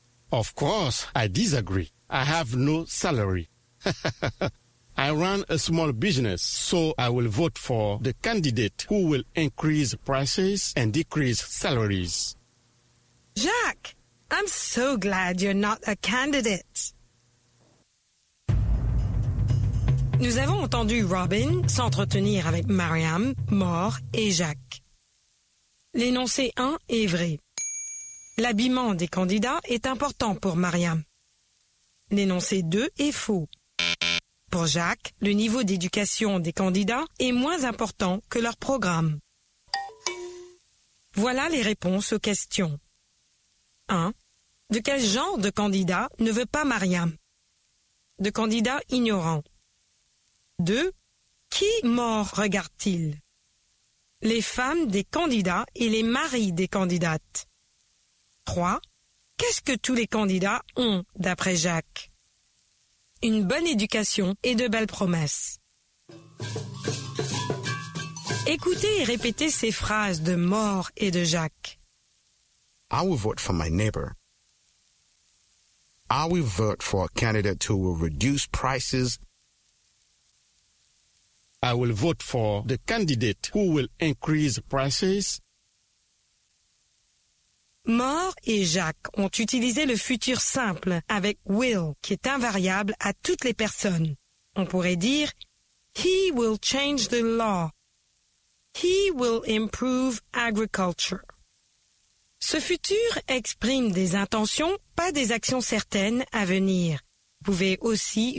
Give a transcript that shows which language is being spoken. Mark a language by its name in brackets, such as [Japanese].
[English] Of course, I disagree. I have no salary. I run a small business, so I will vote for the candidate who will increase prices and decrease salaries. Jacques, I'm so glad you're not a candidate. [French] Nous avons entendu Robin s'entretenir avec Mariam, Maure et Jacques. L'énoncé 1 est vrai. L'habillement des candidats est important pour Mariam. L'énoncé 2 est faux. Pour Jacques, le niveau d'éducation des candidats est moins important que leur programme. Voilà les réponses aux questions. 1. De quel genre de candidat ne veut pas Mariam? De candidat ignorant. 2. Qui mort regarde-t-il? Les femmes des candidats et les maris des candidates. 3. Qu'est-ce que tous les candidats ont, d'après Jacques? Une bonne éducation et de belles promesses. Écoutez et répétez ces phrases de mort et de Jacques. [English] I will vote for my neighbor. I will vote for a candidate who will reduce prices. I will vote for the candidate who will increase prices. [French] Maure et Jacques ont utilisé le futur simple avec will, qui est invariable à toutes les personnes. On pourrait dire, [English] he will change the law. He will improve agriculture. [French] Ce futur exprime des intentions, pas des actions certaines à venir. Vous pouvez aussi utiliser